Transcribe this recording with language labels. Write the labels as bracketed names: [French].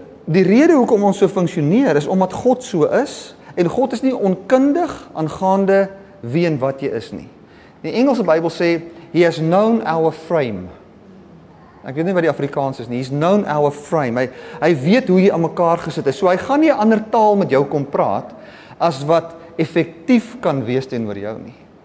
[Afrikaans] Die rede hoekom ons so funksioneer, is omdat God so is, en God is nie onkundig aangaande wie en wat jy is nie. Die Engelse Bybel sê, [English] He has known our frame. [Afrikaans] Ek weet nie wat die Afrikaans is nie. [English] He's known our frame. [Afrikaans] Hy weet hoe jy aan mekaar gesit is. So hy gaan nie 'n ander taal met jou kom praat as wat effektief kan wees teenoor jou nie.